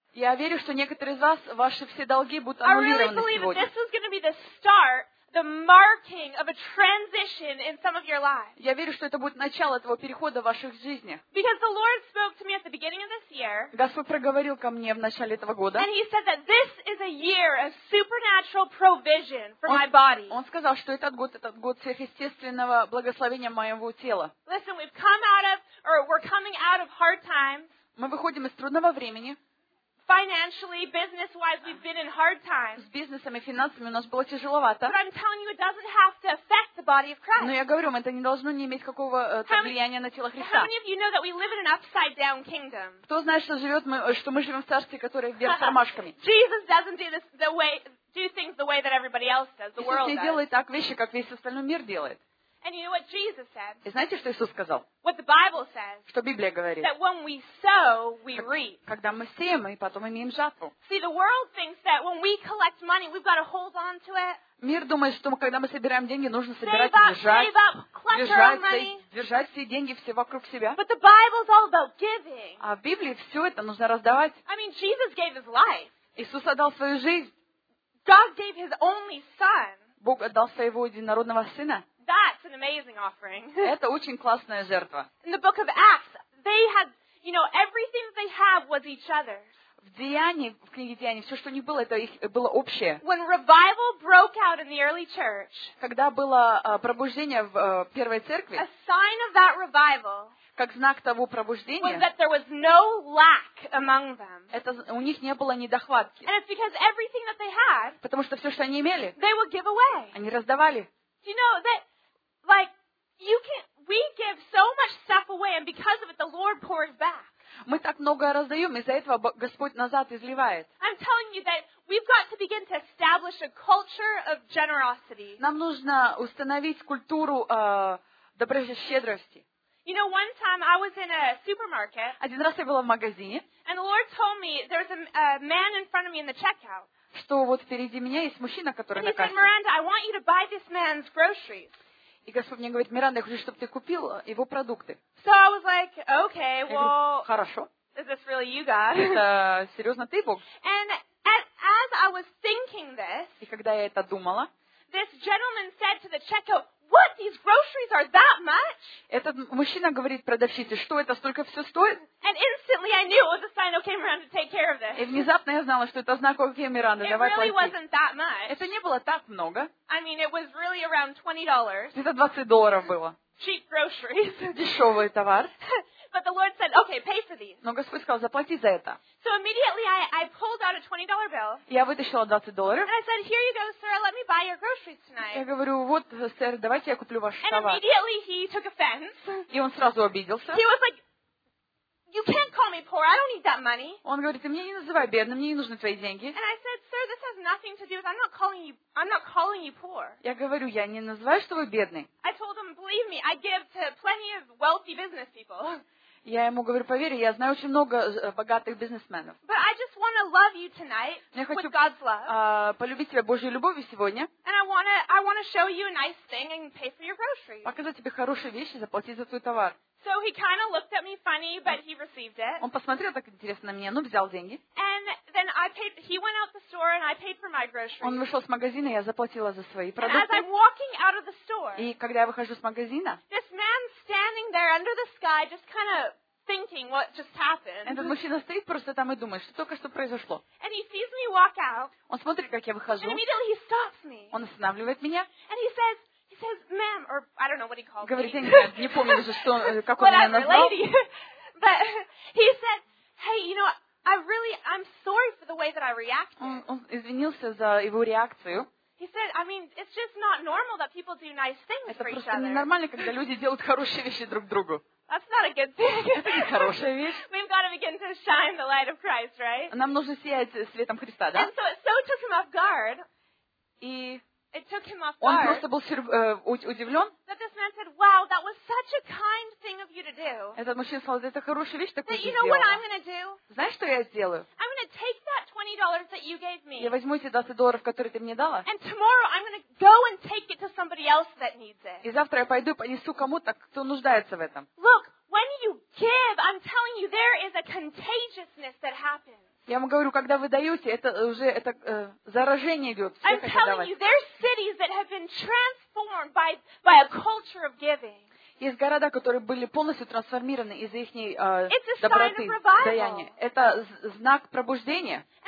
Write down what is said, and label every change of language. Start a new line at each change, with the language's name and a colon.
Russian: Я верю, что некоторые из вас ваши все долги будут аннулированы сегодня.
English: I really believe that this is going to be the start, the marking of a transition in some of your lives.
Russian: Я верю, что это будет начало этого перехода в ваших жизнях.
English: Because the Lord spoke to me at the beginning of this year.
Russian: Господь проговорил ко мне в начале этого года.
English: And He said that this is a year of supernatural provision for my body.
Russian: Он сказал, что этот год сверхъестественного благословения моего тела.
English: Listen, we're coming out of hard times.
Russian: Мы выходим из трудного времени.
English: Financially, business-wise, we've been in hard times.
Russian: С бизнесом и финансами у нас было тяжеловато.
English: But I'm telling you, it doesn't have to affect the body of Christ.
Russian: Но я говорю вам, это не должно не иметь какого-то влияния на тело Христа.
English: How many of you know that we live in an upside-down kingdom?
Russian: Кто знает, что мы живем в царстве, которое вверх тормашками?
English: Jesus doesn't do things the way that everybody else does. The world does.
Russian: Иисус не делает так вещи, как весь остальной мир делает.
English: And you know what Jesus said?
Russian: И знаете, что Иисус сказал?
English: What the Bible says?
Russian: Что Библия говорит?
English: That when we sow, we reap.
Russian: Когда мы сеем, мы потом имеем жатву.
English: See, the world thinks that when we collect money, we've got to hold on to it.
Russian: Мир думает, что когда мы собираем деньги, нужно собирать, держать все деньги все вокруг себя.
English: But the Bible is all about giving.
Russian: А в Библии все это нужно раздавать.
English: I mean, Jesus gave His life.
Russian: Иисус отдал свою жизнь.
English: God gave His only Son.
Russian: Бог отдал своего единородного Сына.
English: That's an amazing offering.
Russian: Это очень классная жертва.
English: In the book of Acts, they had, you know, everything they have was each other.
Russian: В Деяниях, в книге Деяний, все, что у них было, это их было общее.
English: When revival broke out in the early church,
Russian: когда было пробуждение в первой церкви,
English: a sign of that revival,
Russian: как знак того пробуждения,
English: was that there was no lack among them.
Russian: Это у них не было недохватки.
English: And it's because everything that they had,
Russian: потому что все, что они имели,
English: they would give away.
Russian: Они раздавали.
English: You know that, like, we give so much stuff away, and because of it, the Lord pours back.
Russian: Мы так многое раздаем, из-за этого Господь назад изливает.
English: I'm telling you that we've got to begin to establish a culture of generosity.
Russian: Нам нужно установить культуру доброжелательности.
English: You know, one time I was in a supermarket.
Russian: Один раз я была в магазине.
English: And the Lord told me there was a man in front of me in the checkout.
Russian: Что вот впереди меня есть мужчина, который на кассе.
English: Miranda, I want you to buy this man's groceries.
Russian: И Господь мне говорит: Миранда, я хочу, чтобы ты купил его продукты.
English: So I was like, okay, well,
Russian: хорошо.
English: Is this really you, God?
Russian: Это серьезно ты, Бог?
English: And as I was thinking this,
Russian: и когда я это думала,
English: this gentleman said to the checkout, what, these groceries are that much?
Russian: Этот мужчина говорит продавщице, что это столько все стоит?
English: And instantly I knew it was a sign, okay, Miranda, take care of this.
Russian: И внезапно я знала, что это знак, окей, Миранда, давай плати.
English: It really wasn't that much.
Russian: Это не было так много.
English: I mean, it was really around $20.
Russian: Это $20 было.
English: Cheap groceries.
Russian: Дешевый товар.
English: But the Lord said, okay, pay for these.
Russian: Но Господь сказал, заплати за это.
English: So immediately I pulled out a $20 bill.
Russian: Я вытащила $20.
English: And I said, here you go, sir, let me buy your groceries tonight.
Russian: Я говорю, вот, сэр, давайте я куплю ваш
English: and
Russian: товар.
English: And immediately he took offense.
Russian: И он сразу обиделся.
English: He was like, you can't call me poor. I don't need that money.
Russian: Он говорит: ты меня не называй бедным, мне не нужны твои деньги.
English: And I said, sir, this has nothing to do with. I'm not calling you poor.
Russian: Я говорю: я не называю, что вы бедный.
English: I told him, believe me, I give to plenty of wealthy business people.
Russian: Я ему говорю: поверь, я знаю очень много богатых бизнесменов.
English: But I just want to love you tonight with God's love.
Russian: Я хочу полюбить тебя Божьей любовью сегодня.
English: And I want to show you a nice thing and pay for your groceries.
Russian: Показать тебе хорошие вещи, заплатить за твой товар.
English: So he kind of looked at me funny, but he received it.
Russian: Он посмотрел так интересно на меня, но взял деньги.
English: And then I paid. He went out the store, and I paid for my groceries.
Russian: Он вышел с магазина, я заплатила за свои продукты.
English: And as I'm walking out of the store,
Russian: и когда я выхожу с магазина,
English: this man standing there under the sky, just kind of thinking what just happened.
Russian: Этот мужчина стоит просто там и думает, что только что произошло.
English: And he sees me walk out.
Russian: Он смотрит, как я выхожу.
English: And immediately he stops me.
Russian: Он останавливает меня.
English: And he says. He says, "Ma'am," or I don't know what he called me.
Russian: Говорит, я не помню уже, что как он меня назвал.
English: Lady. But he said, "Hey, you know, I'm sorry for the way that I reacted."
Russian: Он извинился за его реакцию.
English: He said, "I mean, it's just not normal that people do nice things for each other."
Russian: Это просто ненормально, когда люди делают хорошие вещи друг другу.
English: That's not a good thing.
Russian: Это не хорошая вещь.
English: We've got to begin to shine the light of Christ, right?
Russian: Нам нужно сиять светом Христа, да?
English: And so it took him off guard.
Russian: И
English: it took him off guard.
Russian: Он просто был удивлен.
English: That this man said, "Wow, that was such a kind thing of you to do."
Russian: Этот мужчина сказал: "Это хорошая вещь, такую сделала."
English: That you know what I'm going to do?
Russian: Знаешь, что я сделаю?
English: I'm going to take that $20 that you gave me.
Russian: Я возьму эти $20, которые ты мне дала.
English: And tomorrow I'm going to go and take it to somebody else that needs it.
Russian: И завтра я пойду и понесу кому-то, кто нуждается в этом.
English: Look, when you give, I'm telling you, there is a contagiousness that happens.
Russian: Я вам говорю, когда вы даете, это уже это заражение идет.
English: I'm telling you, there's cities that have been transformed by a culture of giving.
Russian: Есть города, которые были полностью трансформированы из-за их доброты, даяния. Это знак пробуждения.